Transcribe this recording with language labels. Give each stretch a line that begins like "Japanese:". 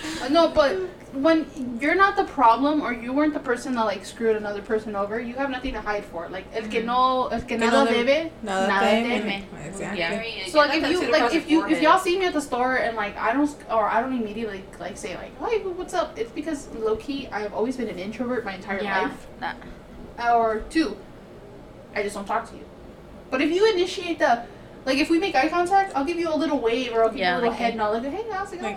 English: No, but when you're not the problem or you weren't the person that, like, screwed another person over, you have nothing to hide for. Like, mm-hmm.
Spanish: El que nada debe, nada teme.
English: Exactly. Yeah. So, like, if y'all see me at the store and, like, I don't immediately, like, say, like, hey, what's up? It's because, low-key, I've always been an introvert my entire life. Nah. Or, two, I just don't talk to you. But if you initiate the... Like, if we make eye contact, I'll give you a little wave or I'll give you a little head nod. Like, hey, how's it going?